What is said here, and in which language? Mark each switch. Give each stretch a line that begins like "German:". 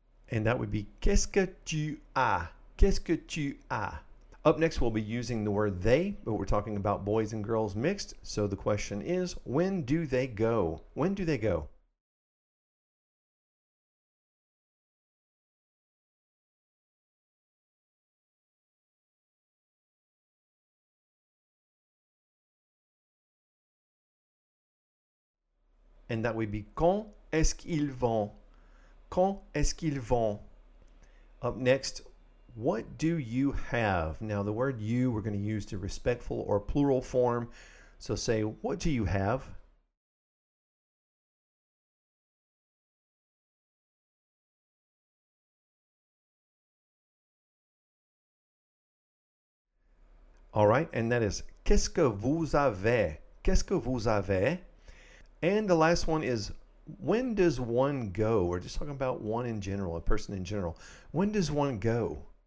English: And that would be,
French: qu'est-ce que tu as?
English: Qu'est-ce que tu as? Up next, we'll be using the word they, but we're talking about boys and girls mixed. So the question is, when do they go? When do they go? And that would be,
French: quand est-ce qu'ils vont? Quand est-ce qu'ils vont?
English: Up next, what do you have? Now, the word you, we're going to use the respectful or plural form. So say, what do you have? All right, and that is,
French: qu'est-ce que vous avez? Qu'est-ce que vous avez?
English: And the last one is, when does one go? We're just talking about one in general, a person in general. When does one go?